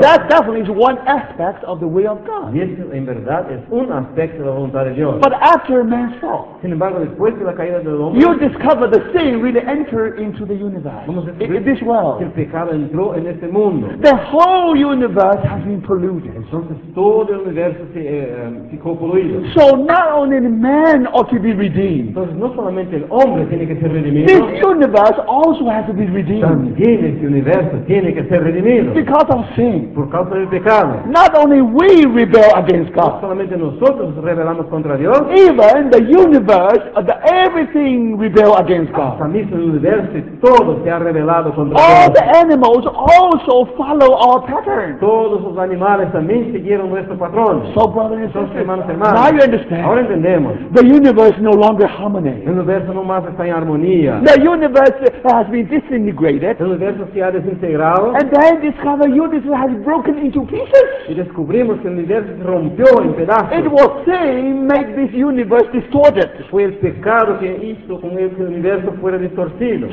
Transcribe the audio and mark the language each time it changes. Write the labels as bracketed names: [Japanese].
[English] That definitely is one aspect of the will of God. [Spanish] Y eso, en verdad, es un aspecto de la voluntad de Dios. [English] But after man's fall. [Spanish] Sin embargo, después de la caída, [English] you discover the sin really enter into the universe. In this world. [Spanish] El pecado entró en este mundo. [English] The whole universe has been polluted. [Spanish] Entonces todo el universo se ficó polluido. [English] So not only the man ought to be redeemed. [Spanish] Entonces no solamente el hombre tiene que ser redimido. [English] This universe also has to be redeemed. [Spanish] También este universo tiene que ser redimido. [English] Because of sin. [Spanish] Por causa del pecado. [English] Not only we rebel against God. [Spanish] No solamente nosotros rebelamos contra Dios. [English] Even the universe, everything rebel against God. [Spanish] Hasta mismo el universo, todo se ha rebelado contra [English] all [Spanish] Dios. [English] The animals also follow our pattern. [Spanish] Todos los animales también siguieron nuestro patrón. [English] So brothers and sisters, [Spanish] hermanos, hermanos, [English] now you understand. [Spanish] Ahora entendemos. [English] The universe no longer harmonizes. [Spanish] El universo no más está en armonía. [English] The universe has been disintegrated. [Spanish] El universo se ha desintegrado. [English] And then discover the universe has broken into pieces. [Spanish] Y descubrimos que el universo se rompió en pedazos. [English] It was sin made this universe distorted. [Spanish] Fue el pecado que hizo con el que el universo fuera distorcido.